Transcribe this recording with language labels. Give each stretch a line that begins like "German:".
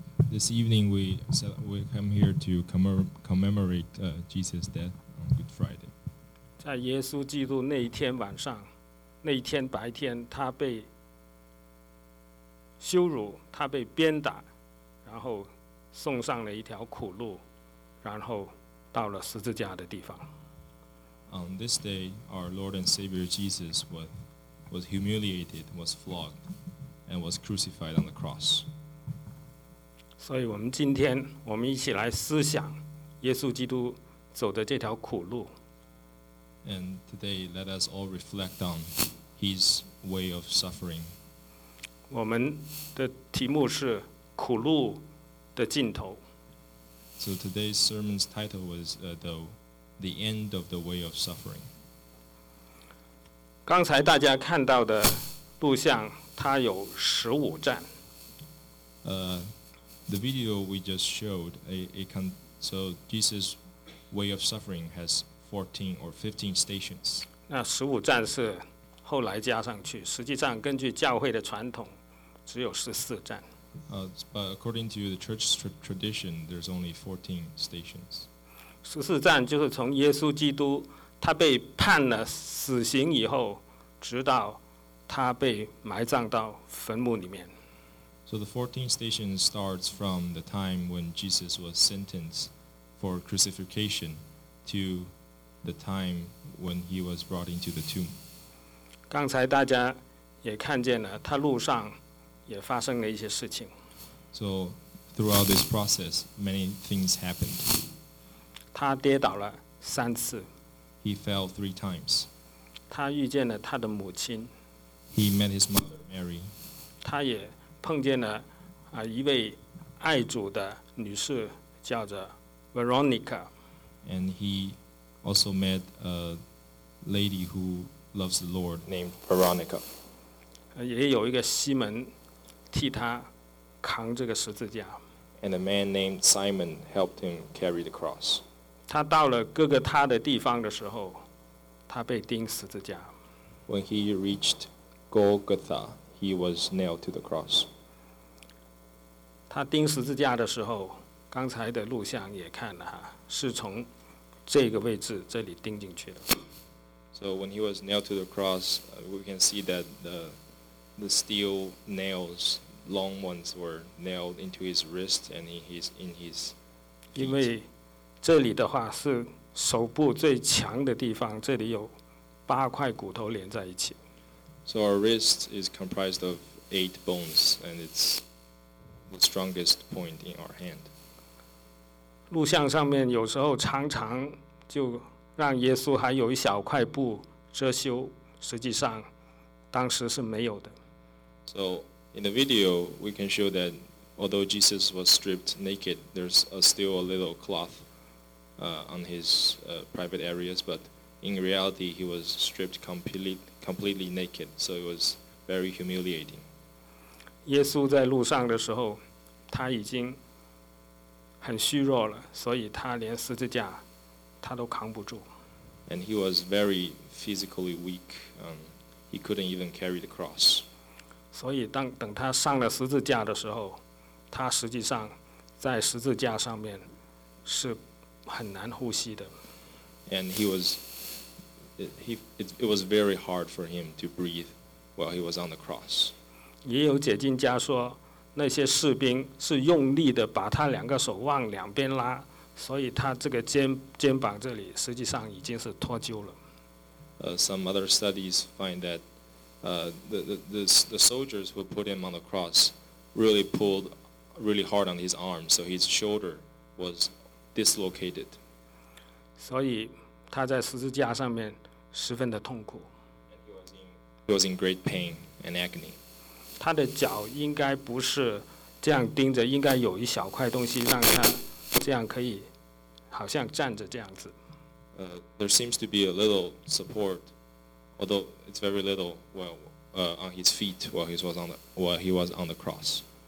English: This evening we come here to commemorate Jesus' death on Good Friday.
Chinese: 在耶稣基督那一天晚上，那一天白天，他被羞辱，他被鞭打，然后送上了一条苦路，然后到了十字架的地方。
English: On this day, our Lord and Savior Jesus was humiliated, was flogged, and was crucified on the cross.
Chinese: 所以我们今天我们一起来思想耶稣基督走的这条苦路。
English: And today, let us all reflect on his way of suffering.
Chinese: 我们的题目是苦路的尽头。
English: So today's sermon's title was the end of the way of suffering.
Chinese: 刚才大家看到的录像，它有十五站。
English: The video we just showed, so Jesus' way of suffering has 14 or 15 stations.
Chinese: 那十五站是后来加上去，实际上根据教会的传统，只有十四站。
English: But according to the church's tradition, there's only 14 stations.
Chinese: 十四站就是从耶稣基督他被判了死刑以后，直到他被埋葬到坟墓里面。
English: So the 14 stations starts from the time when Jesus was sentenced for crucifixion to the time when he was brought into the tomb.
Chinese: 刚才大家也看见了，他路上也发生了一些事情。
English: So throughout this process, many things happened.
Chinese: 他跌倒了三次。
English: He fell three times.
Chinese: 他遇见了他的母亲。
English: He met his mother, Mary.
Chinese: 他也碰见了一位爱主的女士，叫做 Veronica.
English: And he also met a lady who loves the Lord named Veronica.
Chinese: 也有一个西门替他扛这个十字架。
English: And a man named Simon helped him carry the cross.
Chinese: 他到了哥哥他的地方的时候，他被钉十字架。
English: When he reached Golgotha, he was nailed to the cross.
Chinese: 他钉十字架的时候，刚才的录像也看了哈，是从这个位置这里钉进去的。
English: So when he was nailed to the cross, we can see that the steel nails, long ones, were nailed into his wrist and in his feet.
Chinese: 因为这里的话是手部最强的地方，这里有八块骨头连在一起。
English: So our wrist is comprised of eight bones, and it's the strongest point in our hand.
Chinese: 录像上面有时候常常就让耶稣还有一小块布遮羞，实际上当时是没有的。
English: So in the video, we can show that although Jesus was stripped naked, there's still a little cloth on his private areas, but in reality, he was stripped completely naked, so it was very humiliating.
Chinese: 耶稣在路上的时候，他已经很虚弱了，所以他连十字架他都扛不住。
English: And he was very physically weak. He couldn't even carry the cross.
Chinese: 所以等他上了十字架的时候，他实际上在十字架上面是很难呼吸的。
English: And it was very hard for him to breathe while he was on the cross.
Chinese: 也有解经家说，那些士兵是用力的把他两个手往两边拉，所以他这个肩膀这里实际上已经是脱臼了。
English: Some other studies find that the soldiers who put him on the cross really pulled really hard on his arm, so his shoulder was dislocated.
Chinese: 所以他在十字架上面十分的痛苦。
English: He was in great pain and agony.
Chinese: 他的脚应该不是这样钉着，应该有一小块东西让他这样可以好像站着这样子。
English: There seems to be a little support, although it's very little, on his feet while he was on the cross.